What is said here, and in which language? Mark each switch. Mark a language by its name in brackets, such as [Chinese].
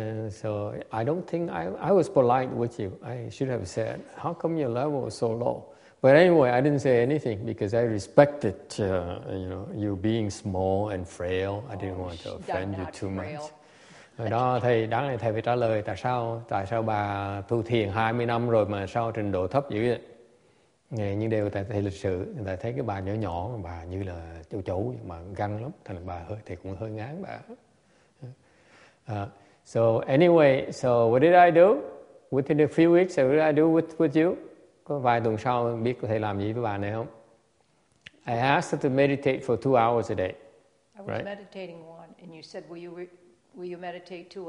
[English] So I don't think I was polite with you. I should have said, "How come your level is so low?" But anyway, I didn't say anything because I respected, you know, you being small and frail. I didn't want to offend you too much. [Vietnamese] Đó, thầy đáng lẽ thầy phải trả lời tại sao bà tu thiền 20 năm rồi mà sao trình độ thấp dữ vậy? Nhưng đều tại thầy lịch sự, tại thấy cái bà nhỏ nhỏ bà như là châu chấu mà gan lắm, thành bà hơi thầy cũng hơi ngán bà. [English] So anyway, so what did I do within a few weeks? What did I do with you? [Vietnamese] Có vài tuần sau biết có thể làm gì với bà này không? [English] I asked her to meditate for 2 hours a day. I was right? meditating one, and you said, will you meditate two?